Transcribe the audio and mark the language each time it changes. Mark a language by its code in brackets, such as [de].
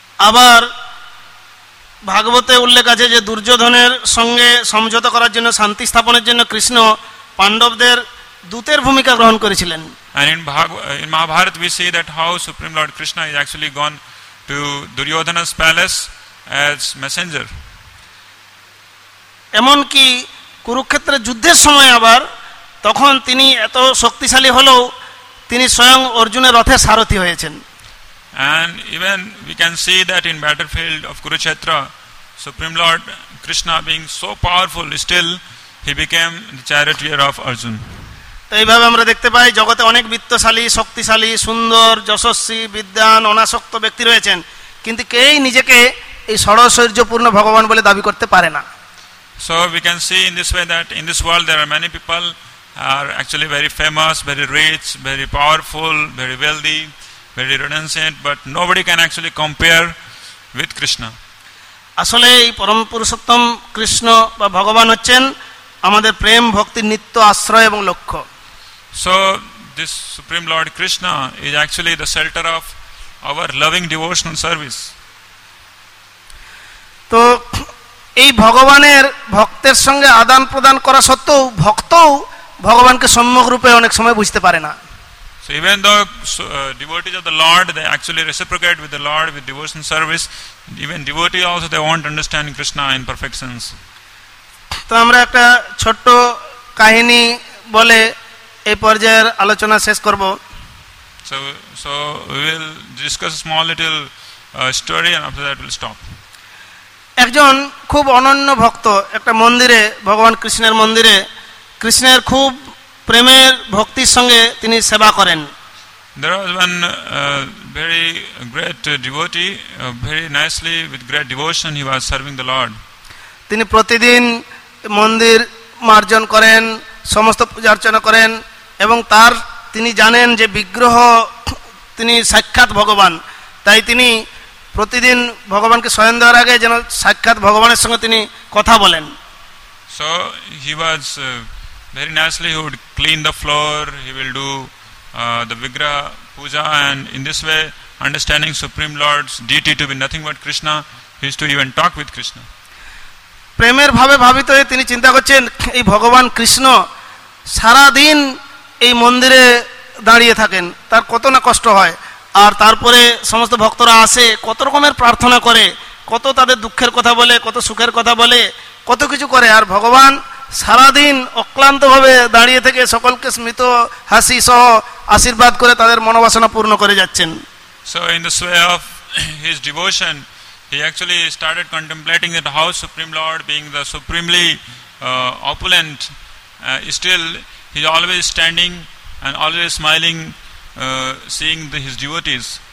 [bn] Abar ভাগবতে উল্লেখ আছে যে দুর্যোধনের সঙ্গে সমঝোতা করার জন্য, শান্তি স্থাপনের জন্য কৃষ্ণ পাণ্ডবদের দূতের ভূমিকা গ্রহণ করেছিলেন। [en] And in Mahabharata we see that how Supreme Lord Krishna is actually gone to Duryodhana's palace as messenger. [bn] এমন কি কুরুক্ষেত্রের যুদ্ধের সময় আবার তখন তিনি এত শক্তিশালী হলেও তিনি স্বয়ং অর্জুনের রথে সারথি হয়েছিলেন। [en] And even we can see that in battlefield of Kurukshetra, Supreme Lord Krishna being so powerful, still he became the charioteer of Arjuna. [bn] এইভাবে আমরা দেখতে পাই জগতে অনেক বিত্তশালী, শক্তিশালী, সুন্দর, যশস্বী, বিদ্বান, অনাসক্ত ব্যক্তি রয়েছেন, কিন্তু কেউই নিজেকে এই সরসৈর্যপূর্ণ ভগবান বলে দাবি করতে পারে না। [en] So we can see in this way that in this world there are many people are actually very famous, very rich, very powerful, very wealthy, very renunciant, but nobody can actually compare with Krishna. [bn] আসলে এই পরম পুরুষোত্তম কৃষ্ণ বা ভগবান হচ্ছেন আমাদের প্রেম ভক্তি নিত্য আশ্রয় এবং লক্ষ্য। [en] So this Supreme Lord Krishna is actually the shelter of our loving devotional service. [bn] তো এই ভগবানের ভক্তের সঙ্গে আদান প্রদান করা সত্ত্বেও ভক্তও ভগবানকে সম্যক রূপে অনেক সময় বুঝতে পারে না। [en] So even the devotees of the Lord, they actually reciprocate with the Lord with devotion service. Even devotees also, they won't understand Krishna in perfect sense. [bn] তো আমরা একটা ছোট কাহিনী বলে এই পর্যায়ের আলোচনা শেষ করব। [en] So we will discuss a small little story and after that we'll stop. [bn] একজন খুব অনন্য ভক্ত একটা মন্দিরে, ভগবান কৃষ্ণের মন্দিরে কৃষ্ণের খুব প্রেমের ভক্তির সঙ্গে তিনি সেবা করেন। [en] There was one very great devotee, very nicely with great devotion he was serving the Lord. [bn] তিনি প্রতিদিন মন্দির মার্জন করেন, সমস্ত পূজা অর্চনা করেন এবং তার তিনি জানেন যে বিগ্রহ তিনি সাক্ষাৎ ভগবান, তাই তিনি প্রতিদিন ভগবানকে স্বয়ং দেওয়ার আগে যেন সাক্ষাৎ ভগবানের সঙ্গে তিনি কথা বলেন। [en] So he was very nicely, he would clean the floor, he will do the vigraha puja, and in this way understanding Supreme Lord's deity to be nothing but Krishna, he is to even talk with Krishna. [bn] প্রেমের ভাবে ভাবিত হয়ে তিনি চিন্তা করছেন এই ভগবান কৃষ্ণ সারা দিন এই মন্দিরে দাঁড়িয়ে থাকেন, তার কত না কষ্ট হয়, আর তারপরে সমস্ত ভক্তরা আসে, কত রকমের প্রার্থনা করে, কত তাদের দুঃখের কথা বলে, কত সুখের কথা বলে, কত কিছু করে, আর ভগবান সারা দিন অক্লান্তভাবে দাঁড়িয়ে থেকে সকলকে স্মিত হাসি সহ আশীর্বাদ করে তাদের মনোবাসনা পূর্ণ করে যাচ্ছেন। [en] So in the sway of his devotion, he actually started contemplating that how Supreme Lord, being the supremely opulent, still he is always standing and always smiling, seeing his devotees